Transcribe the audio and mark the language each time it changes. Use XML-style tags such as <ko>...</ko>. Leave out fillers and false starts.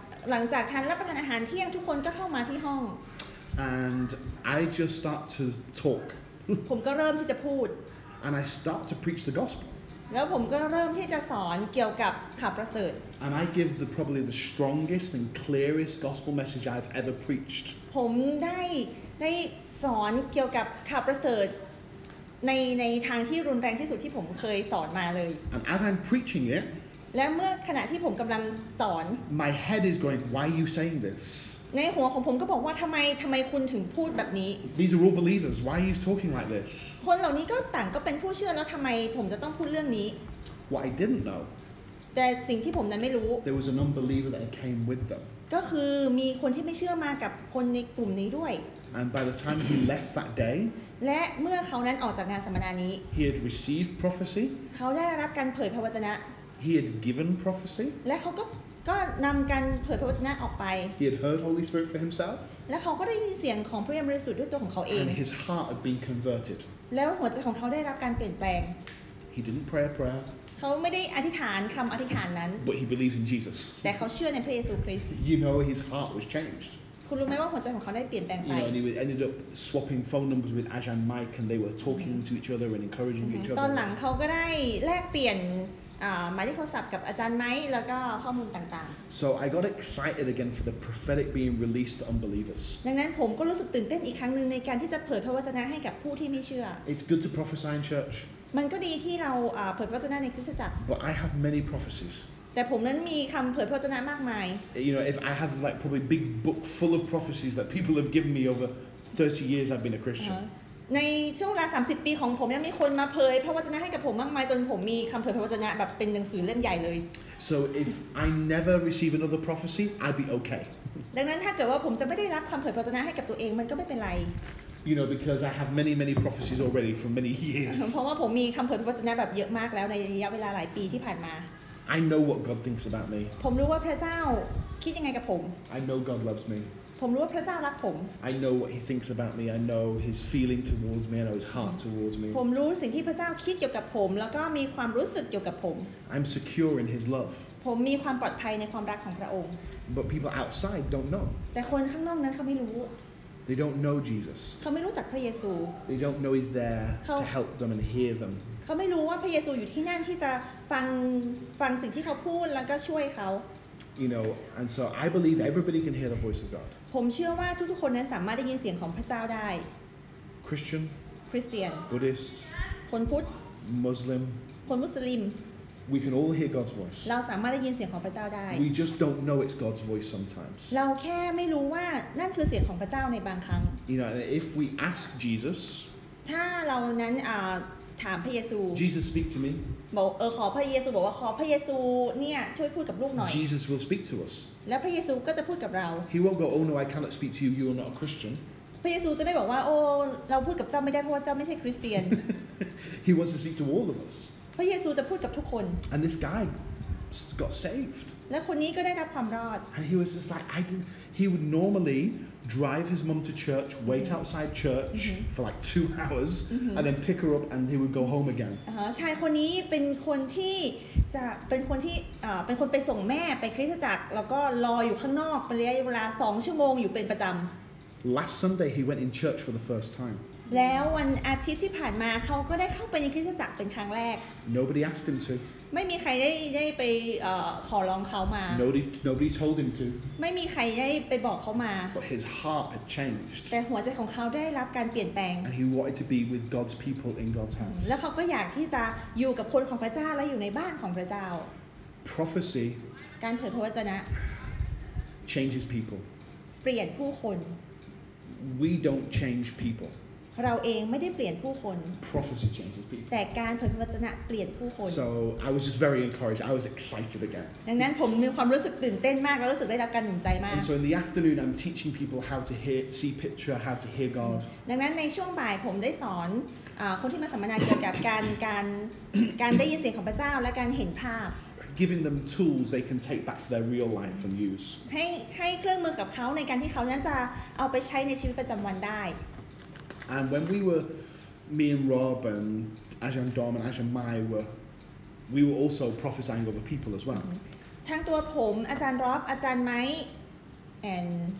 <th>หลังจากทานรับประทานอาหารเที่ยงทุกคนก็เข้ามาที่ห้อง</th> <en>And I just start to talk</en> <th>ผมก็เริ่มที่จะพูด</th> <en>And I start to preach the gospel</en> <th>แล้วผมก็เริ่มที่จะสอนเกี่ยวกับข่าวประเสริฐ</th> <en>And I give the probably the strongest and clearest gospel message I've ever preached</en> <th>ผมได้สอนเกี่ยวกับข่าวประเสริฐในทางที่รุนแรงที่สุดที่ผมเคยสอนมาเลย</th> <en>And as I'm preaching it</en> <th>และเมื่อขณะที่ผมกำลังสอน</th> <en>My head is going why are you saying this</en> <th>ในหัวของผมก็บอกว่าทำไมคุณถึงพูดแบบนี้</th> <en>These are all believers. Why are you talking like this?</en> <th>คนเหล่านี้ก็ต่างก็เป็นผู้เชื่อแล้วทำไมผมจะต้องพูดเรื่องนี้</th> <en>What I didn't know.</en> <th>แต่สิ่งที่ผมนั้นไม่รู้</th> <en>There was an unbeliever that came with them.</en> <th>ก็คือมีคนที่ไม่เชื่อมากับคนในกลุ่มนี้ด้วย</th> <en>And by the time he left that day.</en> <th>และเมื่อเขานั้นออกจากงานสัมมนานี้</th> <en>He had received prophecy.</en> <th>เขาได้รับการเผยพระวจนะ</th> <en>He had given prophecy.</en> <th>และเขาก็นำการเผยพระวจนะออกไป</th> <en>He had heard Holy Spirit for himself</en> <th>และเขาก็ได้ยินเสียงของพระวิญญาณบริสุทธิ์ด้วยตัวของเขาเอง</th> <en>And his heart had been converted</en> <th>แล้วหัวใจของเขาได้รับการเปลี่ยนแปลง</th> <en>He didn't pray a prayer</en> <th>เขาไม่ได้อธิษฐานคำอธิษฐานนั้น</th> <en>But he believes in Jesus</en> <th>แต่เขาเชื่อในพระเยซูคริสต์</th> <en>You know his heart was changed</en> <th>คุณรู้ไหมว่าหัวใจของเขาได้เปลี่ยนแปลงไป</th> <en>You know and he ended up swapping phone numbers with Ajahn Mike and they were talking to each other and encouraging each other</en> <th>ตอนหลังเขาก็ได้แลกเปลี่ยนหมายเลขโทรศัพท์กับอาจารย์ไมค์แล้วก็ข้อมูลต่าง</th> <en>ๆ So I got excited again for the prophetic being released to unbelievers</en> <th>ดังนั้นผมก็รู้สึกตื่นเต้นอีกครั้งนึงในการที่จะเผยพระวจนะให้กับผู้ที่ไม่เชื่อ</th> <en>It's good to prophesy in church</en> <th>มันก็ดีที่เราเผยพระวจนะในคริสตจักร</th> <en>But I have many prophecies</en> <th>แต่ผมนั้นมีคำเผยพระวจนะมากมาย</th> <en>You know if I have like probably big book full of prophecies that people have given me over 30 years I've been a Christian</en> <th>ในช่วงเวลา30ปีของผมยังมีคนมาเผยพระวจนะให้กับผมมากมายจนผมมีคำเผยพระวจนะแบบเป็นหนังสือเล่มใหญ่เลย</th> <en>So if I never receive another prophecy I'd be okay</en> <th>ดังนั้นถ้าเกิดว่าผมจะไม่ได้รับคำเผยพระวจนะให้กับตัวเองมันก็ไม่เป็นไร</th> <en>you know, because I have many, many prophecies already for many years.</en> <th>เพราะว่าผมมีคำเผยพระวจนะแบบเยอะมากแล้วในระยะเวลาหลายปีที่ผ่านมา</th> <en>I know what God thinks about me.</en> <th>ผมรู้ว่าพระเจ้าคิดยังไงกับผม</th> <en>I know God loves me.</en> <th>ผมรู้ว่าพระเจ้ารักผม</th> <en>I know what He thinks about me. I know His feeling towards me. I know His heart towards me.</en> <th>ผมรู้สิ่งที่พระเจ้าคิดเกี่ยวกับผมแล้วก็มีความรู้สึกเกี่ยวกับผม</th> <en>I'm secure in His love.</en> <th>ผมมีความปลอดภัยในความรักของพระองค์</th> <en>But people outside don't know</en> <th>แต่คนข้างนอกนั้นเขาไม่รู้</th> <en>They don't know Jesus</en> <th>เขาไม่รู้จักพระเยซู</th> <en>They don't know he's there to help them and hear them</en> <th>เขาไม่รู้ว่าพระเยซูอยู่ที่นั่นที่จะฟังสิ่งที่เขาพูดแล้วก็ช่วยเขา</th> <en>You know and so I believe everybody can hear the voice of God</en> <th>ผมเชื่อว่าทุกๆคนนั้นสามารถได้ยินเสียงของพระเจ้าได้</th> <en>Christian</en> <th>Christian</th> <en>Buddhist</en> <th>คนพุทธ</th> <en>Muslim</en> <th>คนมุสลิม</th> <en>We can all hear God's voice.</en> <th>เราสามารถได้ยินเสียงของพระเจ้าได้</th> <en>We just don't know it's God's voice sometimes.</en> <th>เราแค่ไม่รู้ว่านั่นคือเสียงของพระเจ้าในบางครั้ง</th> <en>You know, if we ask Jesus,</en> <th>ถ้าเรานั้นถามพระเยซู</th> <en>Jesus speak to me.</en> <th>บอกขอพระเยซูบอกว่าขอพระเยซูเนี่ยช่วยพูดกับลูกหน่อย</th> <en>Jesus will speak to us.</en> <th>แล้วพระเยซูก็จะพูดกับเรา</th> <en>He won't go, oh no, I cannot speak to you. You are not a Christian.</en> <th>พระเยซูจะไม่บอกว่าโอ้เราพูดกับเจ้าไม่ได้เพราะว่าเจ้าไม่ใช่คริสเตียน</th> <en>He wants to speak to all of us.</en> <th>พระเยซูจะพูดกับทุกคน</th> <en>And this guy got saved.</en> <th>และคนนี้ก็ได้รับความรอด</th> <en>And he was just like I didn't. He would normally drive his mum to church, wait outside church for like 2 hours, and then pick her up, and he would go home again.</en> <th>ชายคนนี้เป็นคนที่จะเป็นคนไปส่งแม่ไปคริสตจักรแล้วก็รออยู่ข้างนอกเป็นระยะเวลา2 ชั่วโมงอยู่เป็นประจำ</th> <en>Last Sunday he went in church for the first time.</en> <th>แล้ววันอาทิตย์ที่ผ่านมาเขาก็ได้เข้าไปในคริสตจักรเป็นครั้งแรก</th> <en>Nobody asked him to</en> <th>ไม่มีใครได้ไปขอร้องเขามา</th> <en>Nobody told him to</en> <th>ไม่มีใครได้ไปบอกเขามา</th> <en>But his heart had changed</en> <th>แต่หัวใจของเขาได้รับการเปลี่ยนแปลง</th> <en>And he wanted to be with God's people in God's house</en> <th>แล้วเขาก็อยากที่จะอยู่กับคนของพระเจ้าและอยู่ในบ้านของพระเจ้า</th> <en>Prophecy</en> <th>การเผยพระวจนะ</th> <en>changes people</en> <th>เปลี่ยนผู้คน</th> <en>We don't change people</en> <th>เราเองไม่ได้เปลี่ยนผู้คน</th> <en>Prophecy changes people.</en> <th>แต่การเผยพระวจนะเปลี่ยนผู้คน</th> <en>So I was just very encouraged. I was excited again.</en> <th>ดังนั้นผมมีความรู้สึกตื่นเต้นมากและรู้สึกได้รับการหนุนใจมาก</th> <en>And so in the afternoon I'm teaching people how to hear, see picture, how to hear God.</en> <th>ดังนั้นในช่วงบ่ายผมได้สอนคนที่มาสัมมนาเกี่ยวกับการได้ยินเสียงของพระเจ้าและการเห็นภาพ</th> <en>Giving them tools they can take back to their real life and use.</en> <th>ให้เครื่องมือกับเขาในการที่เขานั้นจะเอาไปใช้ในชีวิตประจำวันได้</th> <en>And when we were, me and Rob and Ajahn Dom and Ajahn Mai we were also prophesying over people as well.</en> <th>ทั้งตัวผมอาจารย์ร็อบอาจารย์ไมค์ and</th>